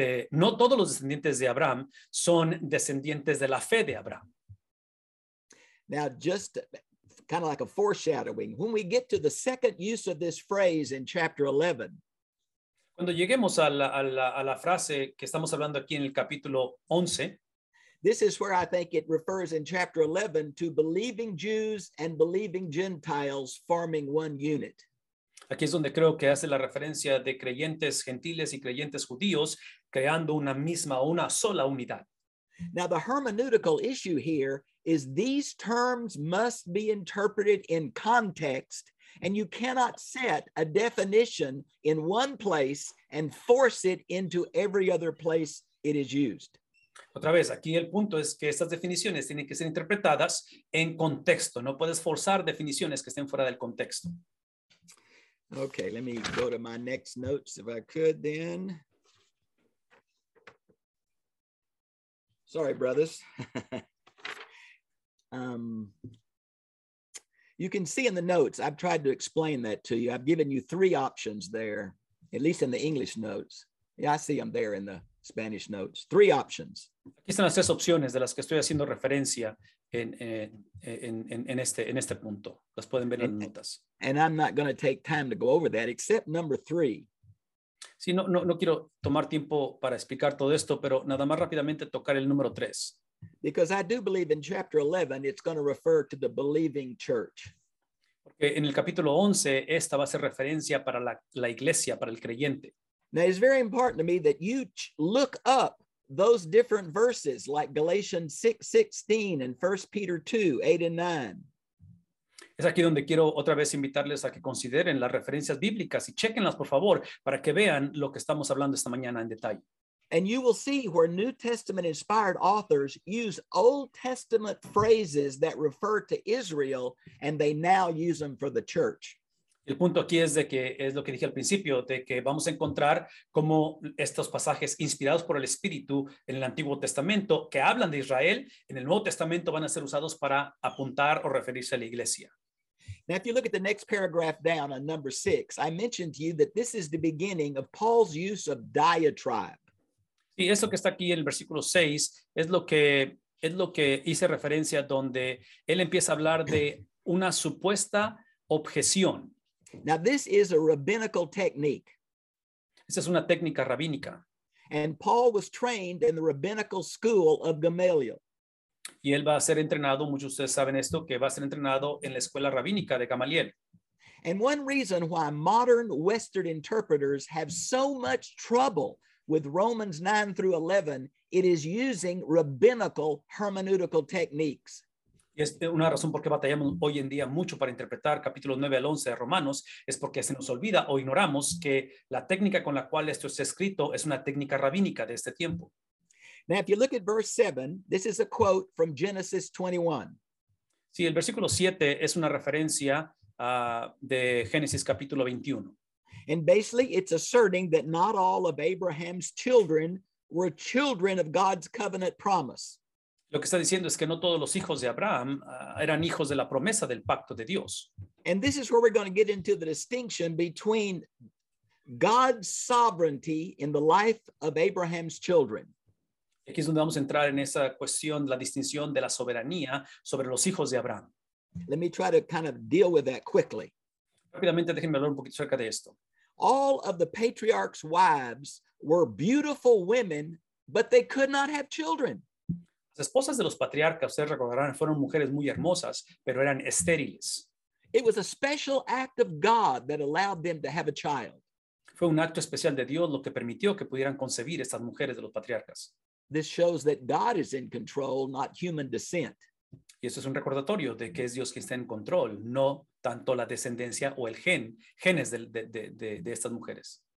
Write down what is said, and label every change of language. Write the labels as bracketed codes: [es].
[es] No todos los descendientes de Abraham son descendientes de la fe de Abraham. [en] Now, just kind of like a foreshadowing, when we get to the second use of this phrase in chapter 11, [es] cuando lleguemos a la frase que estamos hablando aquí en el capítulo 11. [en] This is where I think it refers in chapter 11 to believing Jews and believing Gentiles forming one unit. [es] Aquí es donde creo que hace la referencia de creyentes gentiles y creyentes judíos creando una misma, una sola unidad. [en] Now the hermeneutical issue here is these terms must be interpreted in context. And you cannot set a definition in one place and force it into every other place it is used. [es] Otra vez, aquí el punto es que estas definiciones tienen que ser interpretadas en contexto. No puedes forzar definiciones que estén fuera del contexto. [en] Okay, let me go to my next notes if I could then. Sorry, brothers. You can see in the notes, I've tried to explain that to you. I've given you three options there, at least in the English notes. Yeah, I see them there in the Spanish notes. Three options. [es] Aquí están las tres opciones de las que estoy haciendo referencia en este punto. Las pueden ver en las notas. [en] And I'm not going to take time to go over that, except number three. [es] Sí, no quiero tomar tiempo para explicar todo esto, pero nada más rápidamente tocar el número tres. [en] Because I do believe in chapter 11, it's going to refer to the believing church. [es] Porque en el capítulo 11, esta va a ser referencia para la iglesia, para el creyente. [en] Now, it's very important to me that you look up those different verses like Galatians 6:16 and 1 Peter 2:8-9. [es] Es aquí donde quiero otra vez invitarles a que consideren las referencias bíblicas y chequenlas, por favor, para que vean lo que estamos hablando esta mañana en detalle. [en] And you will see where New Testament inspired authors use Old Testament phrases that refer to Israel, and they now use them for the church. [es] El punto aquí es de que es lo que dije al principio, de que vamos a encontrar cómo estos pasajes inspirados por el Espíritu en el Antiguo Testamento que hablan de Israel, en el Nuevo Testamento van a ser usados para apuntar o referirse a la iglesia. [en] Now, if you look at the next paragraph down on number 6, I mentioned to you that this is the beginning of Paul's use of diatribe. [es] Y eso que está aquí en el versículo 6 es lo que hice referencia donde él empieza a hablar de una supuesta objeción. [en] Now this is a rabbinical technique. [es] Esa es una técnica rabínica. [en] And Paul was trained in the rabbinical school of Gamaliel. [es] Y él va a ser entrenado, muchos de ustedes saben esto, que va a ser entrenado en la escuela rabínica de Gamaliel. [en] And one reason why modern Western interpreters have so much trouble with Romans 9 through 11, it is using rabbinical hermeneutical techniques. [es] Y es una razón por qué batallamos hoy en día mucho para interpretar capítulos 9 al 11 de Romanos, es porque se nos olvida o ignoramos que la técnica con la cual esto está escrito es una técnica rabínica de este tiempo. [en] Now, if you look at verse 7, this is a quote from Genesis 21. [es] Sí, el versículo 7 es una referencia de Génesis capítulo 21. [en] And basically, it's asserting that not all of Abraham's children were children of God's covenant promise. [es] Lo que está diciendo es que no todos los hijos de Abraham eran hijos de la promesa del pacto de Dios. [en] And this is where we're going to get into the distinction between God's sovereignty in the life of Abraham's children. [es] Aquí es donde vamos a entrar en esa cuestión, la distinción de la soberanía sobre los hijos de Abraham. [en] Let me try to kind of deal with that quickly. [es] Rápidamente déjenme hablar un poquito acerca de esto. [en] All of the patriarch's wives were beautiful women, but they could not have children. [es] Las esposas de los patriarcas, ustedes recordarán, fueron mujeres muy hermosas, pero eran estériles. [en] It was a special act of God that allowed them to have a child. [es] Fue un acto especial de Dios lo que permitió que pudieran concebir estas mujeres de los patriarcas. [en] This shows that God is in control, not human descent. [es] Y esto es un recordatorio de que es Dios quien está en control, no tanto la descendencia o el genes de estas mujeres.